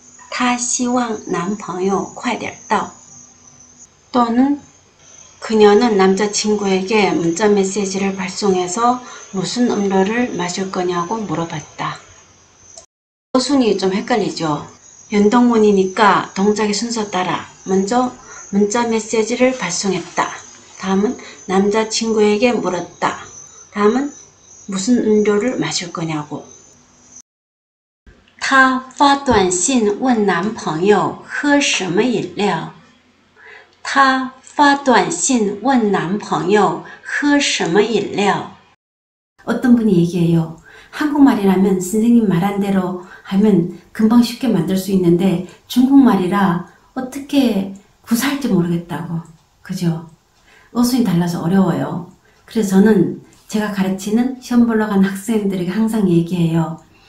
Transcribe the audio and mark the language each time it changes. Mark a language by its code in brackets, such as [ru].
[zh] 她希望男朋友快点到。她希望男朋友快点到。 [ko] 또는 그녀는 남자친구에게 문자 메시지를 발송해서 무슨 음료를 마실 거냐고 물어봤다. 순이 좀 헷갈리죠. 연동문이니까 동작의 순서 따라 먼저 문자 메시지를 발송했다. 다음은 남자친구에게 물었다. 다음은 무슨 음료를 마실 거냐고. [zh] 她发短信问男朋友喝什么饮料。她发短信问男朋友喝什么饮料。 [ko] 어떤 분이 얘기해요. 한국말이라면 선생님 말한 대로 하면 금방 쉽게 만들 수 있는데 중국말이라 어떻게 구사할지 모르겠다고. 그죠? 어순이 달라서 어려워요. 그래서 저는 제가 가르치는 시험 보러 간 학생들에게 항상 얘기해요.